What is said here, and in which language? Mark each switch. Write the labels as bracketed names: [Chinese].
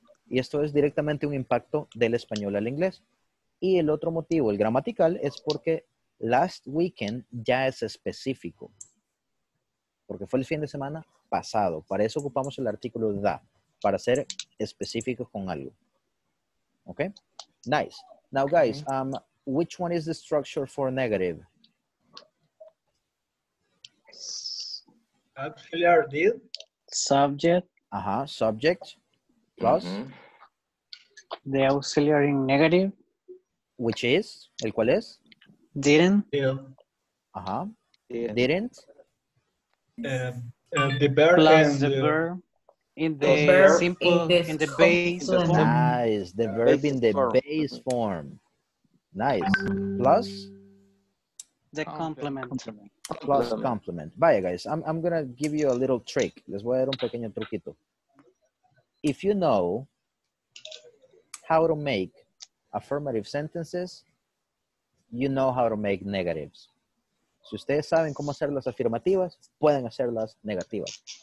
[Spanish] Y esto es directamente un impacto del español al inglés. Y el otro motivo, el gramatical, es porque [English] last weekend [Spanish] ya es específico. Porque fue el fin de semana pasado. Para eso ocupamos el artículo da, para ser específicos con algo. [English] Okay? Nice. Now, guys, which one is the structure for negative? Auxiliary did. Subject. Uh-huh. Subject plus. The auxiliary negative. Which is? [Spanish] El cual es? [English] Didn't. Uh-huh. Didn't. The verb plus and the verb. In the base form. Nice. Plus? The complement. Plus complement. Vaya, guys. I'm going to give you a little trick. [Spanish] Les voy a dar un pequeño truquito. [English] If you know how to make affirmative sentences, you know how to make negatives. [Spanish] Si ustedes saben cómo hacer las afirmativas, pueden hacer las negativas.